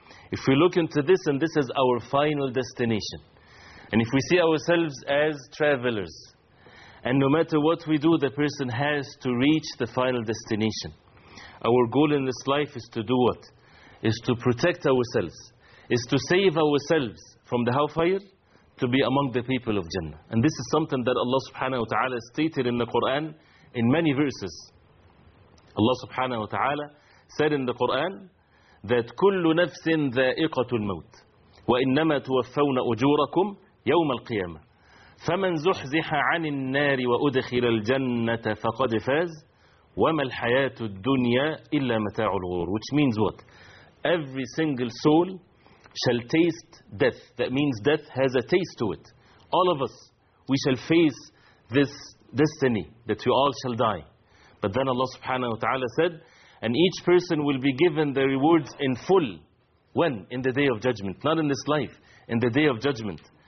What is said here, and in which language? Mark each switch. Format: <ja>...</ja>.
<en>If we look into this, and this is our final destination, and if we see ourselves as travelers, and no matter what we do, the person has to reach the final destination. Our goal in this life is to do what? Is to protect ourselves, is to save ourselves from the Hellfire, to be among the people of Jannah. And this is something that Allah subhanahu wa ta'ala stated in the Quran in many verses. Allah subhanahu wa ta'ala said in the Quran that</en> <ar>كُلُّ نَفْسٍ ذَائِقَةُ الْمَوْتِ وَإِنَّمَا تُوَفَّوْنَ أُجُورَكُمْ يَوْمَ الْقِيَامَةِ فَمَنْ زُحْزِحَ عَنِ النَّارِ وَأُدْخِلَ الْجَنَّةَ فَقَدْ فَازْ وَمَا الْحَيَاةُ الدُّنْيَا إِلَّا مَتَاعُ الْغُرُورِ.</ar> <en>Which means what? Every single soul shall taste death. That means death has a taste to it. All of us, we shall face this destiny that we all shall die. But then Allah subhanahu wa ta'ala said, and each person will be given the rewards in full. When? In the day of judgment. Not in this life. In the day of judgment.</en>